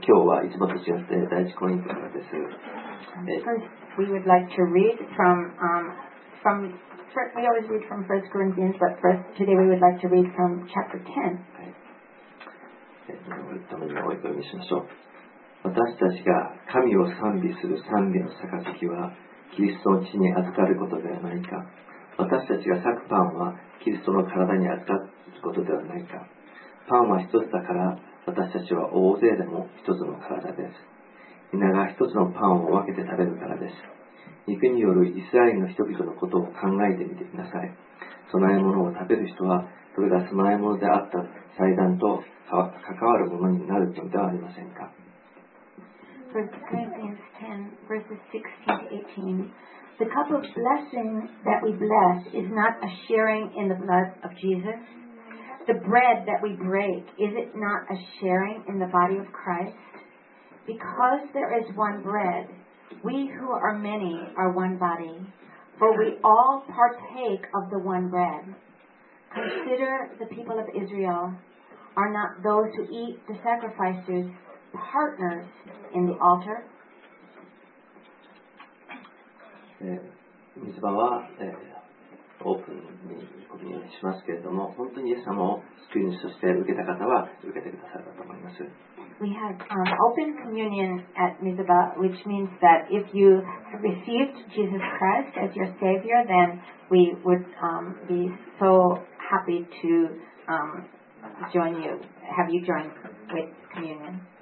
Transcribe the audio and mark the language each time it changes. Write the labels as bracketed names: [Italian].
[Japanese] 今日は一番年上で第一コリントからです。 [English] First, we would like to read from first, we always read from First Corinthians, but first today we would like to read from chapter 10. [Japanese] 私たちが神を賛美する賛美の杯はキリストの血に預かることではないか。私たちが裂くパンはキリストの体に預かることではないか。パンは一つだから私たちは大勢でも一つの体です。皆が一つのパンを分けて食べるからです。肉によるイスラエルの人々のことを考えてみてください。供え物を食べる人はそれが供え物であった祭壇と関わるものになるのではありませんか。 [English] 1 Corinthians 10 verses 16 to 18. The cup of blessing that we bless is not a sharing in the blood of Jesus. The bread that we break, is it not a sharing in the body of Christ? Because there is one bread, we who are many are one body, for we all partake of the one bread. Consider the people of Israel. Are not those who eat the sacrifices? Partners in the altar. [Japanese] 三つ葉は、オープンにコミュニティしますけれども、本当にイエス様を救い主として受けた方は受けてくださると思います。 [English] We have open communion at Mizuba, which means that if you have received Jesus Christ as your Savior, then we would be so happy to join you, have you join with communion.